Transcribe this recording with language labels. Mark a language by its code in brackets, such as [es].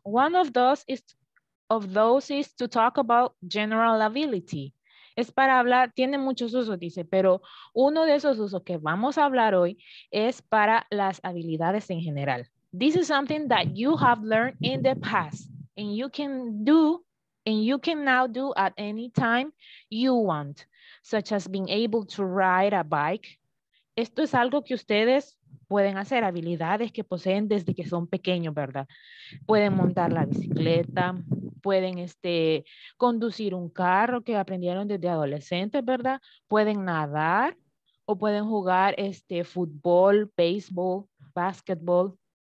[en] One of those is to talk about general ability. [es] Es para hablar, tiene muchos usos, dice, pero uno de esos usos que vamos a hablar hoy es para las habilidades en general. [en] This is something that you have learned in the past and you can do and you can now do at any time you want, such as being able to ride a bike. [es] Esto es algo que ustedes pueden hacer, habilidades que poseen desde que son pequeños, ¿verdad? Pueden montar la bicicleta, pueden conducir un carro que aprendieron desde adolescentes, ¿verdad? Pueden nadar o pueden jugar fútbol, béisbol, básquetbol.